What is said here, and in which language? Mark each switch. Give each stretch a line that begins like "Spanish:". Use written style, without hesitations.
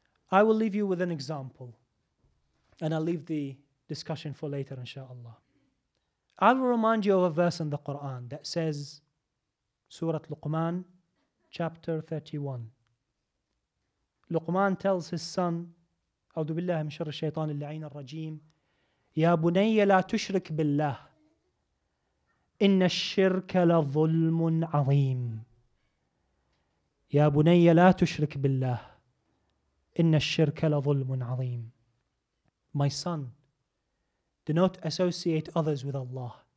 English: I will leave you with an example. And I'll leave the discussion for later, inshallah. I will remind you of a verse in the Quran that says, Surah Luqman, chapter 31. Luqman tells his son,
Arabic: أعوذ بالله من شر الشيطان اللعين الرجيم يا بني لا تشرك بالله إن الشرك لظلم عظيم يا بني لا تشرك بالله إن الشرك لظلم عظيم.
English: My son, do not associate others with Allah.